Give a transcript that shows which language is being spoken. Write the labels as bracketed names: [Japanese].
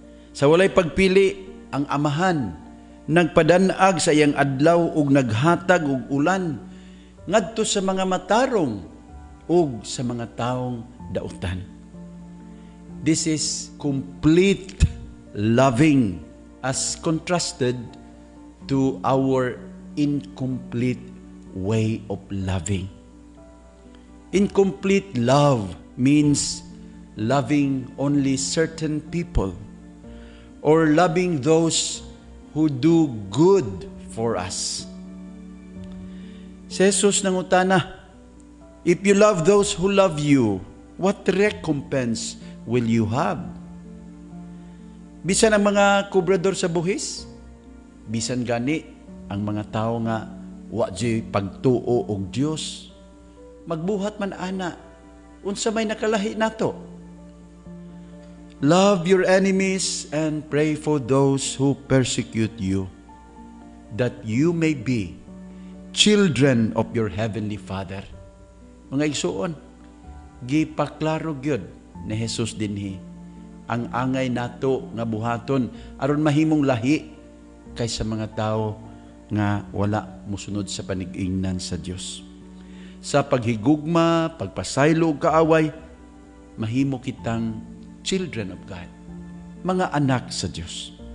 [Cebuano] Sa walay pagpili, ang amahan nagpadanag sa iyang adlaw ug naghatag og ulan ngadto sa mga matarong ug sa mga taong daotan. [English] This is complete loving as contrasted to our incomplete way of loving. Incomplete love means loving only certain people or loving those who do good for us. [Cebuano] Si Jesus nangutana, [English] "If you love those who love you, what recompense will you have?" [Cebuano] Bisan ang mga kubrador sa buhis, bisan gani ang mga tao nga wa'y pagtuo og Dios, magbuhat man ana, unsa may nakalahi nato? [English] "Love your enemies and pray for those who persecute you, that you may be children of your heavenly Father." [Cebuano] Mga igsoon, gipaklaro gyud ni Jesus dinhi ang angay nato nga buhaton aron mahimong lahi kaysa mga tao nga wala musunod sa panig-ingnan sa Dios. Sa paghigugma, pagpasaylo ug kaaway, mahimo kitang [English] children of God, [Cebuano] mga anak sa Dios.